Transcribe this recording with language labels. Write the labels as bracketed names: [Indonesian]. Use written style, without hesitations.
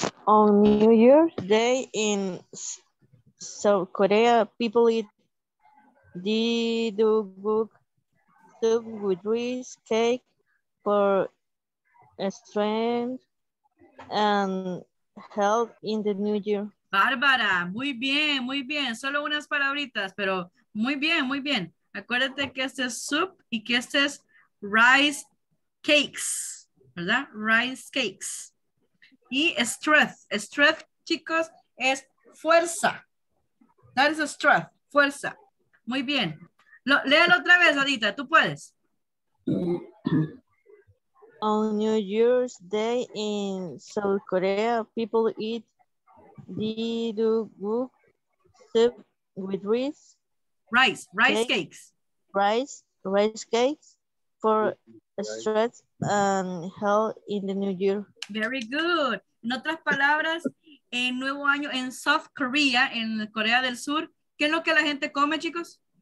[English] on New Year's Day in South Korea, people eat jjigae, soup with rice, cake for strength and health in the New Year. [Spanish] Bárbara, muy bien, muy bien. Solo unas palabritas, pero muy bien, muy bien. Acuérdate que este es soup y que este es rice cakes, ¿verdad? Rice cakes. Y strength. Strength, chicos, es fuerza. [English] That is a strength, [Spanish] fuerza. Muy bien. Léalo otra vez, Adita, tú puedes. [English] On New Year's Day in South Korea, people eat jjigae soup with rice. Rice cakes for strength and health in the New Year. Very good. [Spanish] En otras palabras, en Nuevo Año, en South Korea, en Corea del Sur, ¿qué es lo que la gente come, chicos?